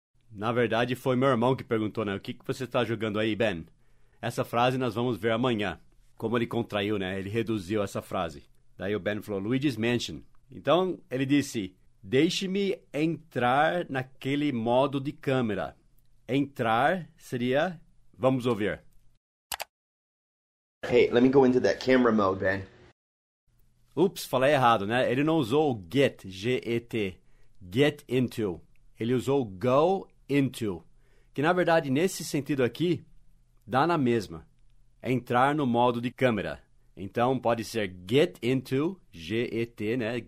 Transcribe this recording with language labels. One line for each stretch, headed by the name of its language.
Portuguese: Na verdade, foi meu irmão que perguntou, né? O que você está jogando aí, Ben? Essa frase nós vamos ver amanhã. Como ele contraiu, né? Ele reduziu essa frase. Daí o Ben falou, Luigi's Mansion. Então, ele disse, deixe-me entrar naquele modo de câmera. Entrar seria... Vamos ouvir.
English: Hey, let me go into that camera mode, Ben.
Portuguese: Ups, falei errado, né? Ele não usou o get, G-E-T, get into. Ele usou o go into, que na verdade, nesse sentido aqui, dá na mesma. É entrar no modo de câmera. Então, pode ser get into, G-E-T, né?